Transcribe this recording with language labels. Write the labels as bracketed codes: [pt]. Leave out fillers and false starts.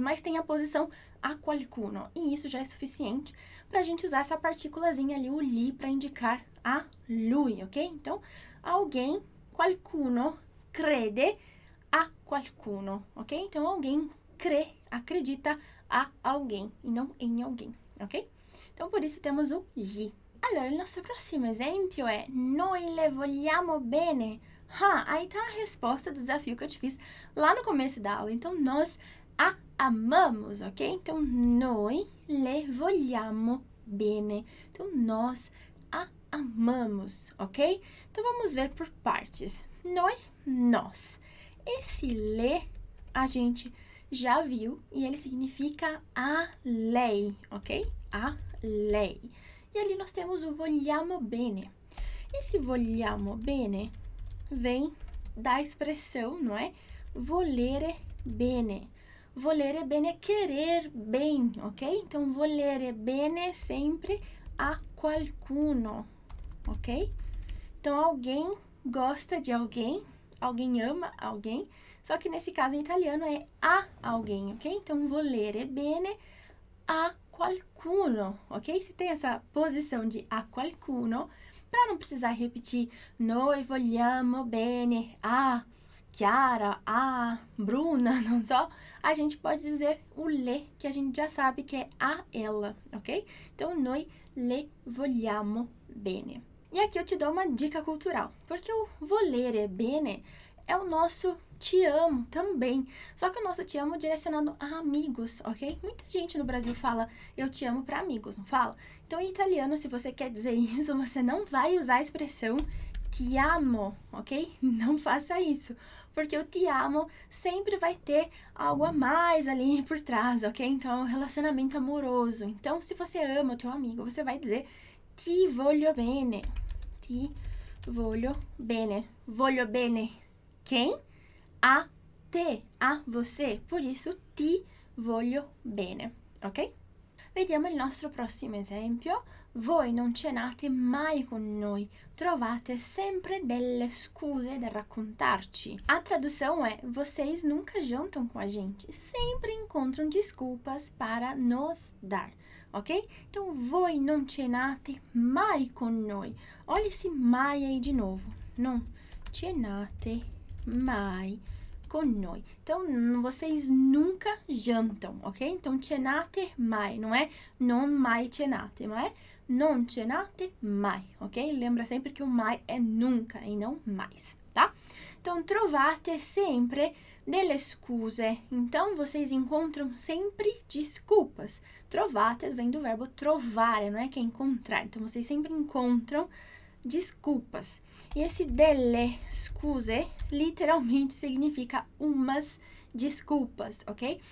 [pt] Mas tem a posição [it] a qualcuno. [pt] E isso já é suficiente para a gente usar essa partículazinha ali, o li, para indicar a lui, ok? Então, alguém, [it] qualcuno, crede a qualcuno, [pt] ok? Então, alguém crê, acredita a alguém, e não em alguém, ok? Então, por isso temos o gli. [it] Allora, il nostro prossimo esempio è noi le vogliamo bene. [pt] Ah, aí tá a resposta do desafio que eu te fiz lá no começo da aula. Então, nós a amamos, ok? [it] Então, noi le vogliamo bene. [pt] Então, nós a amamos, ok? Então, vamos ver por partes. [it] Noi, [pt] nós. Esse le, a gente já viu e ele significa a lei, ok? A lei. E ali nós temos o [it] vogliamo bene. [pt] Esse [it] vogliamo bene [pt] vem da expressão, não é? [it] Volere bene. Volere bene [pt] é querer bem, ok? Então, [it] volere bene [pt] é sempre [it] a qualcuno, [pt] ok? Então, alguém gosta de alguém, alguém ama alguém, só que nesse caso em italiano é a alguém, ok? Então, [it] volere bene a qualcuno, [pt] ok? Se tem essa posição de [it] a qualcuno, [pt] para não precisar repetir [it] noi vogliamo bene a Chiara, [pt] a Bruna, não só, a gente pode dizer o le, que a gente já sabe que é a ela, ok? [it] Então, noi le vogliamo bene. [pt] E aqui eu te dou uma dica cultural, porque o volere bene é o nosso te amo também, só que o nosso te amo direcionado a amigos, ok? Muita gente no Brasil fala eu te amo para amigos, não fala? Então, em italiano, se você quer dizer isso, você não vai usar a expressão [it] ti amo, [pt] ok? Não faça isso, porque o [it] ti amo [pt] sempre vai ter algo a mais ali por trás, ok? Então, é um relacionamento amoroso. Então, se você ama o teu amigo, você vai dizer [it] ti voglio bene. Ti voglio bene. Voglio bene [pt] quem? A te, a você. Por isso, [it] ti voglio bene, [pt] ok? [it] Vediamo il nostro prossimo esempio. Voi non cenate mai con noi, trovate sempre delle scuse da raccontarci. [pt] A tradução é, vocês nunca jantam com a gente, sempre encontram desculpas para nos dar, ok? [it] Então, voi non cenate mai con noi. [pt] Olha esse mai aí de novo. [it] Non cenate mai con noi. [pt] Então, vocês nunca jantam, ok? Então, cenate mai, não é [it] non mai cenate, [pt] não é? [it] Non cenate mai, [pt] ok? Lembra sempre que o mai é nunca e não mais, tá? [it] Então, trovate sempre delle scuse. [pt] Então, vocês encontram sempre desculpas. Trovate vem do verbo [it] trovare, [pt] não é? Que é encontrar. Então, vocês sempre encontram desculpas. Esse [it] delle scuse [pt] literalmente significa umas desculpas, ok?